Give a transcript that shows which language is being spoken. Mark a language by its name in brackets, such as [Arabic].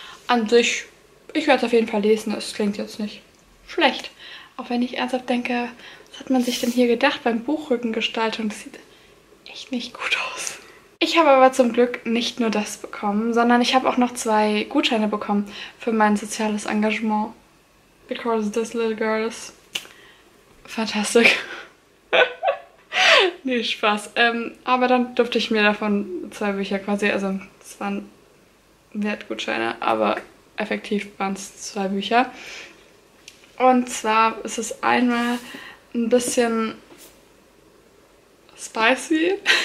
[German] An sich, ich werde es auf jeden Fall lesen, es klingt jetzt nicht schlecht. Auch wenn ich ernsthaft denke, was hat man sich denn hier gedacht beim Buchrückengestaltung? Das sieht echt nicht gut aus. Ich habe aber zum Glück nicht nur das bekommen, sondern ich habe auch noch 2 Gutscheine bekommen für mein soziales Engagement. [English] Because this little girl is fantastic. [German] Nee, Spaß. Aber dann durfte ich mir davon 2 Bücher quasi, also es waren Wertgutscheine, aber effektiv waren es 2 Bücher. Und zwar ist es einmal ein bisschen spicy.